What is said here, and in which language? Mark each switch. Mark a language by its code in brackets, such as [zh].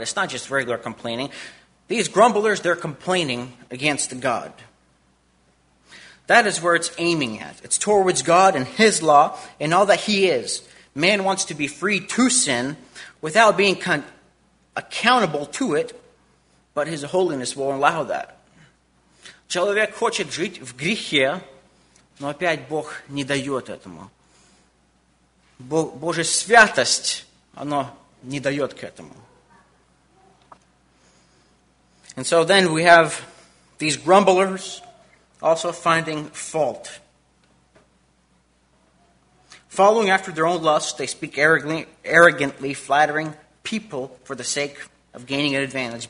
[en] It's not just regular complaining. These grumblers, they're complaining against God. That is where it's aiming at. It's towards God and his law and all that he is. Man wants to be free to sin without being accountable to it, but his holiness will allow that. [ru] Человек хочет жить в грехе, но опять Бог не дает этому. Божья святость, она не дает к этому. [en] And so then we have these grumblers also finding fault. Following after their own lusts, they speak arrogantly, flattering people for the sake of gaining an advantage.